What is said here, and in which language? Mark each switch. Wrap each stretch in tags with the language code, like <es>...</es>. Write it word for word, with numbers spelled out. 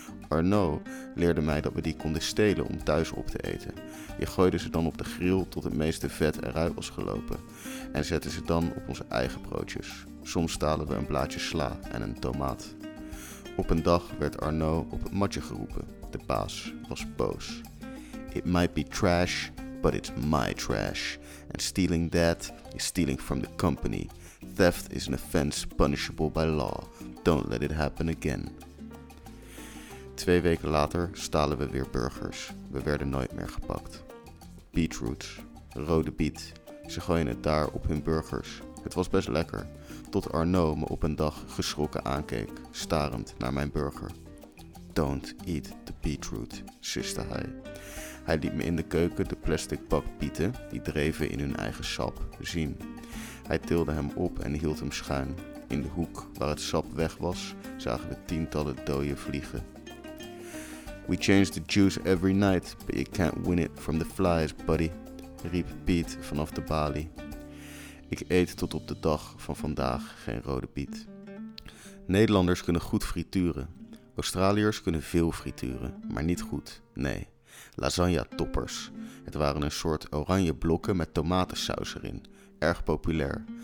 <nl>Arnaud leerde mij dat we die konden stelen om thuis op te eten. Je gooide ze dan op de grill tot het meeste vet eruit was gelopen. En zette ze dan op onze eigen broodjes. Soms stalen we een blaadje sla en een tomaat. Op een dag werd Arnaud op het matje geroepen. De baas was boos.</nl> <en>It might be trash, but it's my trash. And stealing that is stealing from the company. Theft is an offense punishable by law. Don't let it happen again.</en> <nl>Twee weken later stalen we weer burgers. We werden nooit meer gepakt. Beetroots. Rode biet. Ze gooien het daar op hun burgers. Het was best lekker. Tot Arnaud me op een dag geschrokken aankeek, starend naar mijn burger.</nl> <en>Don't eat the beetroot,</en> <nl>siste hij. Hij liet me in de keuken de plastic bak bieten, die dreven in hun eigen sap, zien. Hij tilde hem op en hield hem schuin. In de hoek waar het sap weg was, zagen we tientallen dode vliegen.</nl> <en>We change the juice every night, but you can't win it from the flies, buddy,</en> <nl>riep Piet vanaf de balie. Ik eet tot op de dag van vandaag geen rode biet. Nederlanders kunnen goed frituren. Australiërs kunnen veel frituren, maar niet goed, nee. Lasagne-toppers. Het waren een soort oranje blokken met tomatensaus erin. Erg populair.</nl>